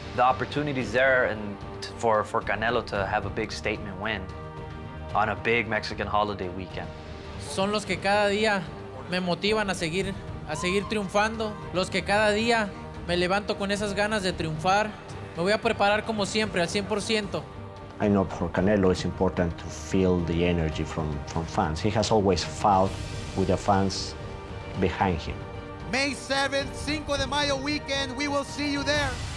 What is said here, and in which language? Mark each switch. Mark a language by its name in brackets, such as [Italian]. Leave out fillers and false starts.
[English] The opportunity is there and for Canelo to have a big statement win on a big Mexican holiday weekend. [Spanish] Son los que cada día me motivan a seguir triunfando, los que cada día me levanto con esas ganas de triunfar. Me voy a preparar como siempre, al 100%. [English] I know for Canelo it's important to feel the energy from fans. He has always fought with the fans behind him. May 7th, Cinco de Mayo weekend, we will see you there.